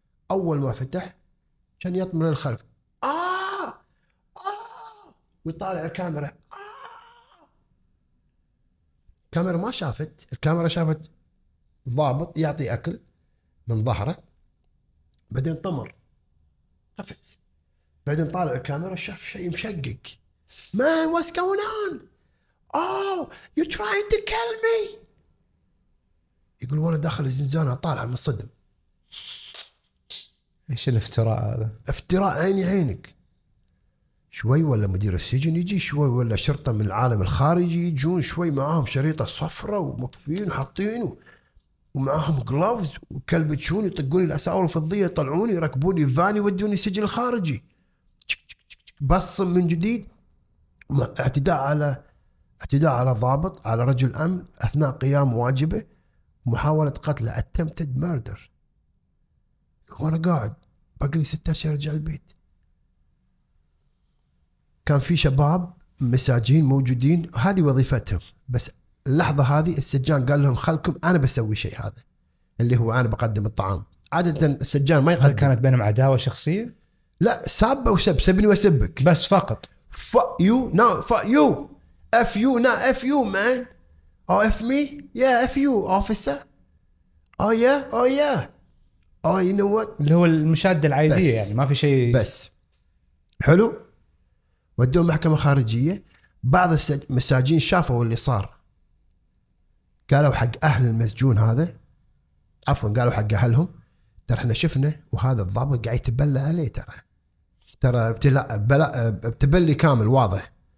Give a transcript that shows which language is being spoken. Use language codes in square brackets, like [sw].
[ar] أول ما فتح كان يطمن الخلف ويطالع الكاميرا. الكاميرا ما شافت، الكاميرا شافت ضابط يعطي أكل من ظهره، بعدين طمر قفز، بعدين طالع الكاميرا شاف شيء مشقق. [en] Man, what's going on? Oh, you're trying to kill me. [ar] يقول وانا داخل الزنزانة طالع من الصدم. ايش الافتراء هذا؟ افتراء عيني عينك. شوي ولا مدير السجن يجي شوي ولا شرطة من العالم الخارجي يجون شوي معاهم شريطة صفرة ومكفين حاطين ومعاهم غلافز وكلبتشون يطقوني الأساور الفضية يطلعوني يركبوني فاني ودوني السجن الخارجي بصم من جديد. اعتداء على ضابط على رجل أمن أثناء قيام واجبه محاولة قتل [en] attempted murder. [ar] وأنا قاعد بقلي 6 أشهر أرجع البيت. كان في شباب مساجين موجودين هذه وظيفتهم، بس اللحظة هذه السجان قال لهم خلكم أنا بسوي شيء هذا اللي هو أنا بقدم الطعام. عادة السجان ما يقدم. هل كانت بينهم عداوة شخصية؟ لا، ساب وسب، سبني وسبك بس فقط. [en] Fuck you now, fuck you, F you now, F you man, oh F me, yeah F you officer, oh yeah, oh yeah, oh you know what. [ar] اللي هو المشادة العادية يعني ما في شيء. بس حلو، ودوه محكمة خارجية. بعض المساجين شافوا اللي صار، قالوا حق أهل المسجون هذا، عفوا قالوا حق أهلهم، ترى احنا شفنا وهذا الضابط قاعد يتبلى عليه، ترى بتبلي كامل واضح.